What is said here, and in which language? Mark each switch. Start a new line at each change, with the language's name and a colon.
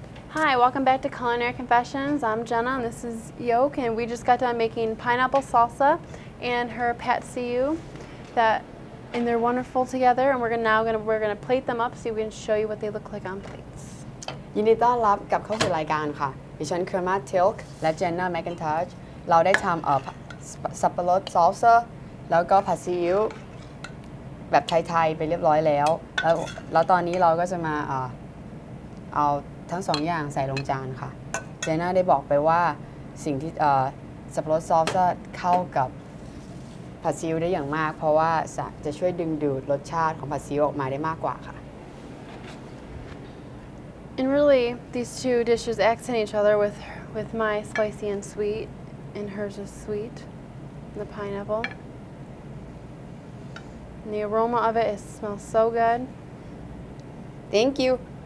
English: Hi, welcome back to Culinary Confessions. I'm Jenna and this is Yoke and we just got done making pineapple salsa and her patsy you that and they're wonderful together and we're gonna plate them up so we can show you what they look like on plate.
Thai: ยินดีต้อนรับกับเข้าสู่รายการค่ะดิฉันเคอร์มาทิลก์และเจนน่าแมคคินทัชเราได้ทำสับปะรดซอสเซอร์แล้วก็ผัดซีอิ๊วแบบไทยๆไปเรียบร้อยแล้วแล้วตอนนี้เราก็จะมาเอาทั้งสองอย่างใส่ลงจานค่ะเจนน่าได้บอกไปว่าสิ่งที่สับปะรดซอสเซอร์เข้ากับผัดซีอิ๊วได้อย่างมากเพราะว่าจะช่วยดึงดูดรสชาติของผัดซีอิ๊วออกมาได้มากกว่าค่ะ
English: And really, these two dishes accent each other with my spicy and sweet, and hers is sweet, the pineapple. And the aroma of it smells so good. Thank you.